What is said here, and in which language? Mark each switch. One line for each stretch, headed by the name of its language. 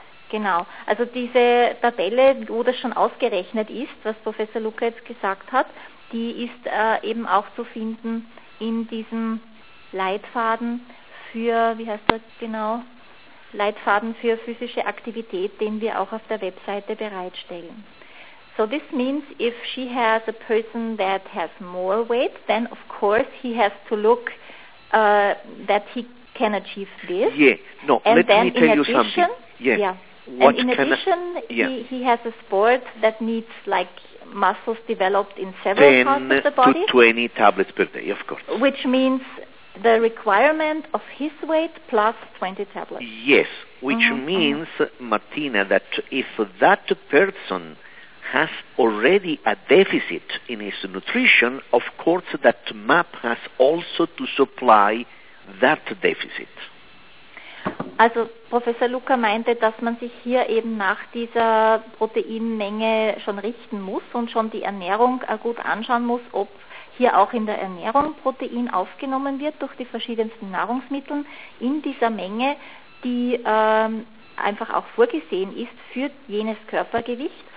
German: Genau, also diese Tabelle, wo das schon ausgerechnet ist, was Professor Luca jetzt gesagt hat, die ist eben auch zu finden in diesem Leitfaden für, wie heißt das genau, Leitfaden für physische Aktivität, den wir auch auf der Webseite bereitstellen.
English: So this means if she has a person that has more weight, then of course he has to look that he can achieve this. Yeah, no, and let me tell you something. Yeah. Yeah. What and in addition, I, yeah. he has a sport that needs like muscles developed in several 10 parts of the body. To 20 tablets per day, of course. Which means the requirement of his weight plus 20 tablets. Yes, which mm-hmm. means, mm-hmm. Martina, that if that person has already a deficit in his nutrition, of course that MAP has also to supply that deficit.
German: Also Professor Luca meinte, dass man sich hier eben nach dieser Proteinmenge schon richten muss und schon die Ernährung gut anschauen muss, ob hier auch in der Ernährung Protein aufgenommen wird durch die verschiedensten Nahrungsmittel in dieser Menge, die einfach auch vorgesehen ist für jenes Körpergewicht.